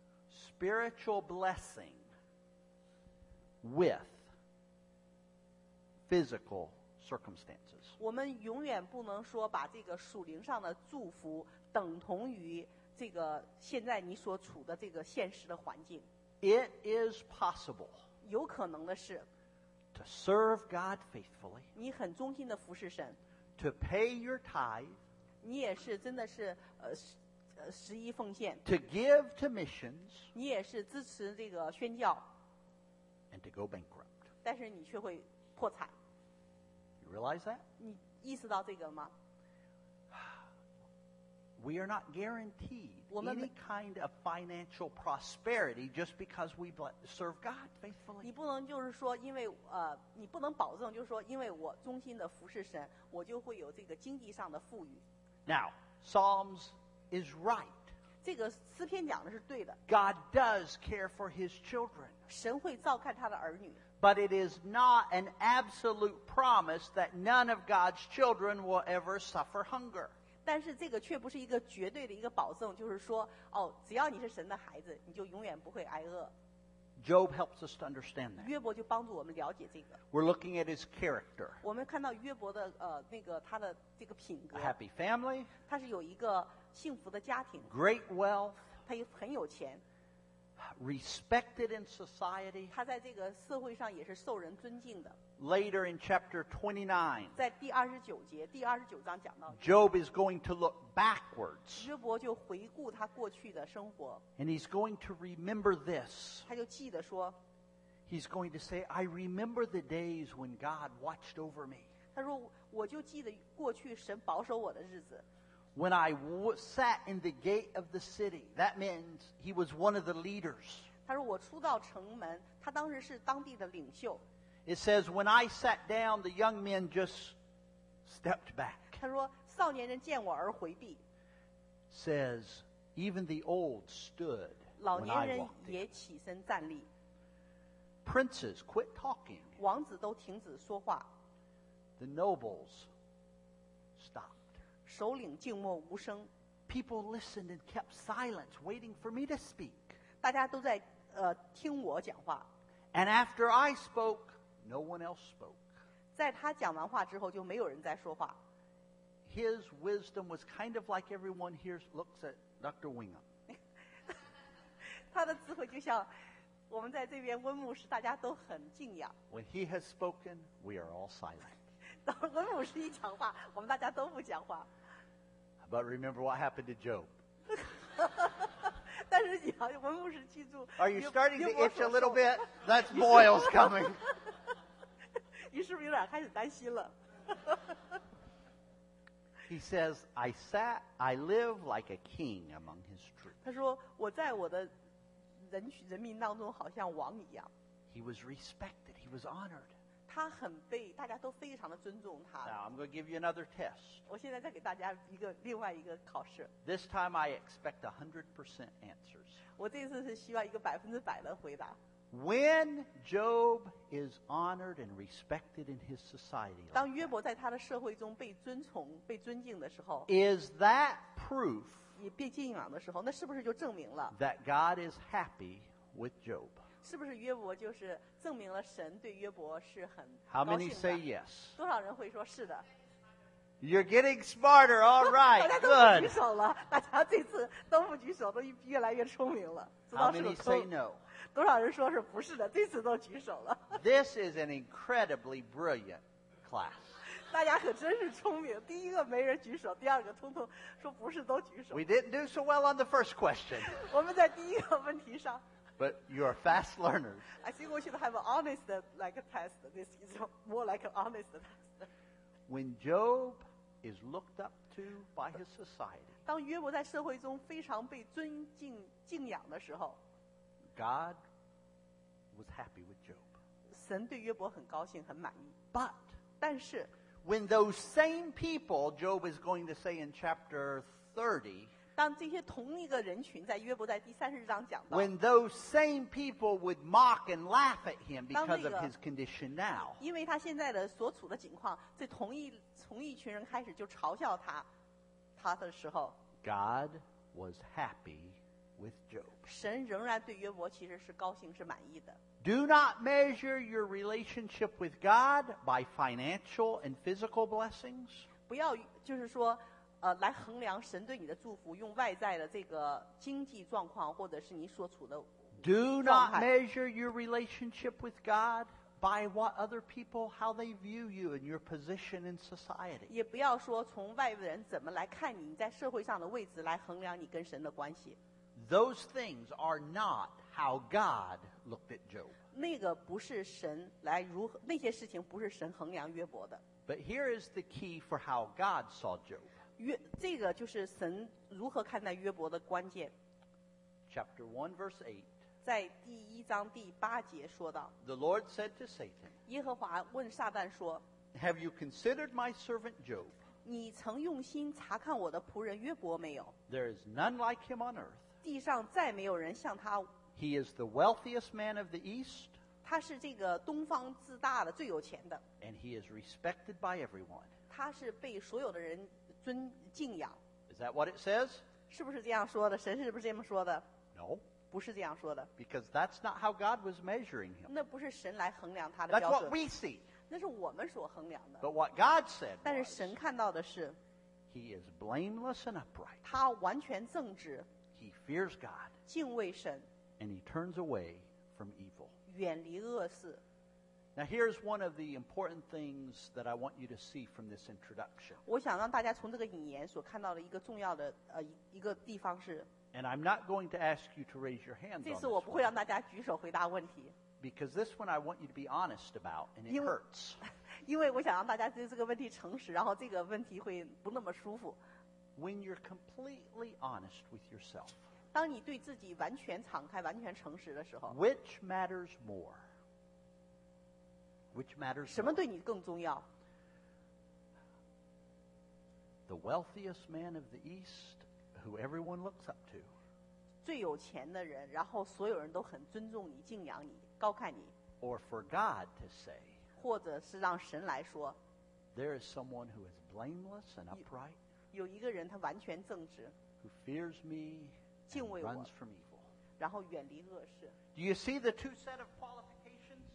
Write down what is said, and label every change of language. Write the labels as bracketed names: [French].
[English] Spiritual blessing with physical circumstances. [Chinese] 我们永远不能说把这个属灵上的祝福等同于这个现在你所处的这个现实的环境。 [English] It is possible. [Chinese] 有可能的是。 [English] To serve God faithfully. [Chinese] 你很忠心的服侍神。 [English] To pay your tithe. [Chinese] 你也是真的是十一奉献 [English] to give to missions [Chinese] 你也是支持这个宣教 [English] and to go bankrupt [Chinese] 但是你却会破产 [English] you realize that? [Chinese] 你意识到这个吗 [English] we are not guaranteed any kind of financial prosperity just because we serve God faithfully [Chinese] 你不能就是说因为你不能保证就是说因为我忠心的服侍神我就会有这个经济上的富裕 [English] now Psalms is right. [Chinese] 这个诗篇讲的是对的。 [English] God does care for his children. [Chinese] 神会照看他的儿女。 [English] But it is not an absolute promise that none of God's children will ever suffer hunger. [Chinese] 但是这个却不是一个绝对的一个保证，就是说，哦，只要你是神的孩子，你就永远不会挨饿。 [English] Job helps us to understand that. [Chinese] 约伯就帮助我们了解这个。 [English] We're looking at his character. [Chinese] 我们看到约伯的那个他的这个品格。 [English] A happy family. [Chinese] 他是有一个幸福的家庭。 [English] Great wealth. [Chinese] 他也很有钱。 [English] Respected in society. [Chinese] 他在这个社会上也是受人尊敬的。 [English] Later in chapter 29. [Chinese] 在第二十九节，第二十九章讲到。 [English] Job is going to look backwards. [Chinese] 约伯就回顾他过去的生活。 [English] And he's going to remember this. [Chinese] 他就记得说。 [English] He's going to say, I remember the days when God watched over me. [Chinese] 他说，我就记得过去神保守我的日子。 [English] When I sat in the gate of the city, that means he was one of the leaders. [Chinese] 他说我出到城门，他当时是当地的领袖。 [English] It says, when I sat down, the young men just stepped back. [Chinese] 他说少年人见我而回避。 [English] Says, even the old stood when I walked in. [Chinese] 老年人也起身站立。 [English] Princes quit talking. [Chinese] 王子都停止说话。 [English] The nobles stopped. [Chinese] 首领静默无声。 [English] People listened and kept silence, waiting for me to speak. [Chinese] 大家都在听我讲话。 [English] And after I spoke, no one else spoke. [Chinese] 在他讲完话之后，就没有人再说话。 [English] His wisdom was kind of like everyone here looks at Dr. Wingham. [Chinese] 他的智慧就像我们在这边温牧师，大家都很敬仰。 [English] When he has spoken, we are all silent. [Chinese] 当文武师一讲话，我们大家都不讲话。 [English] But remember what happened to Job. [Chinese] 但是你要文武师记住。 [English] Are you starting to itch a little bit? That's boils coming. [Chinese] 你是不是有点开始担心了？ [English] He says, "I sat, I live like a king among his troops." [Chinese] 他说，我在我的人民当中，好像王一样。 [English] He was respected. He was honored. [Chinese] 他很被大家都非常的尊重他。 [English] Now I'm going to give you another test. [Chinese] 我现在再给大家一个另外一个考试。 [English] This time I expect 100% answers. [Chinese] 我这次是希望一个百分之百的回答。 [English] When Job is honored and respected in his society, [Chinese] 当约伯在他的社会中被尊崇、被尊敬的时候 [English] ，is that proof? [Chinese] 也被敬仰的时候，那是不是就证明了 [English] that God is happy with Job? [Chinese] 是不是约伯就是证明了神对约伯是很高兴的 [English] How many say yes? [Chinese] 多少人会说是的 [English] You're getting smarter, all right, good [Chinese] 大家都不举手了大家这次都不举手都越来越聪明了 [English] How many say no? [Chinese] 多少人说是不是的这次都举手了 [English] This is an incredibly brilliant class [Chinese] 大家可真是聪明，第一个没人举手，第二个通通说不是都举手。 [English] We didn't do so well on the first question. [Chinese] 我们在第一个问题上。 [English] But you are fast learners. I think we should have an honest like a test. This is more like an honest test. When Job is looked up to by his society, [Chinese] 当约伯在社会中非常被尊敬敬仰的时候， [English] God was happy with Job. [Chinese] 神对约伯很高兴，很满意。 [English] But [Chinese] 但是 [English] when those same people, Job is going to say in chapter 30. [Chinese] 当这些同一个人群在约伯在第三十章讲到 [English] When those same people would mock and laugh at him because of his condition now [Chinese] 因为他现在的所处的境况这同一群人开始就嘲笑他的时候 [English] God was happy with Job [Chinese] 神仍然对约伯其实是高兴是满意的 [English] Do not measure your relationship with God by financial and physical blessings [Chinese] 不要就是说来衡量神对你的祝福用外在的这个经济状况或者是你所处的状态 [English] Do not measure your relationship with God by what other people, how they view you and your position in society [Chinese] 也不要说从外人怎么来看你在社会上的位置来衡量你跟神的关系 [English] Those things are not how God looked at Job [Chinese] 那个不是神来如何那些事情不是神衡量约伯的 [English] But here is the key for how God saw Job [Chinese] 这个就是神如何看待约伯的关键 [English] Chapter 1 verse 8 [Chinese] 在第一章第八节说到 [English] The Lord said to Satan [Chinese] 耶和华问撒旦说 [English] Have you considered my servant Job? [Chinese] 你曾用心查看我的仆人约伯没有 [English] There is none like him on earth [Chinese] 地上再没有人像他 [English] He is the wealthiest man of the east [Chinese] 他是这个东方自大的最有钱的 [English] And he is respected by everyone [Chinese] 他是被所有的人尊敬仰 [English] Is that what it says? [Chinese] 是不是这样说的？神是不是这么说的 [English] ？No， [Chinese] 不是这样说的。 [English] Because that's not how God was measuring him. [Chinese] 那不是神来衡量他的标 [English] 准。That's what we see. [Chinese] 那是我们所衡量的。 [English] But what God said. [Chinese] 但是神看到的是 [English] ，He is blameless and upright. [Chinese] 他完全正直。 [English] He fears God. [Chinese] 敬畏神。 [English] And he turns away from evil. [Chinese] 远离恶事。 [English] Now here's one of the important things that I want you to see from this introduction. [Chinese] 我想让大家从这个引言所看到的一个重要的一个地方是 [English] And I'm not going to ask you to raise your hands. [Chinese] 这次我不会让大家举手回答问题 [English] Because this one I want you to be honest about, and it hurts. [Chinese] 因为我想让大家对这个问题诚实，然后这个问题会不那么舒服 [English] When you're completely honest with yourself. [Chinese] 当你对自己完全敞开、完全诚实的时候 [English] Which matters more? Which matters more? [Chinese] 什么对你更重要 [English] The wealthiest man of the East who everyone looks up to [Chinese] 最有钱的人然后所有人都很尊重你敬仰你高看你 [English] Or for God to say [Chinese] 或者是让神来说 [English] There is someone who is blameless and upright [Chinese] 有一个人他完全正直 [English] Who fears me [Chinese] 敬畏我 [English] runs from evil [Chinese] 然后远离恶事 [English] Do you see the two set of qualifications?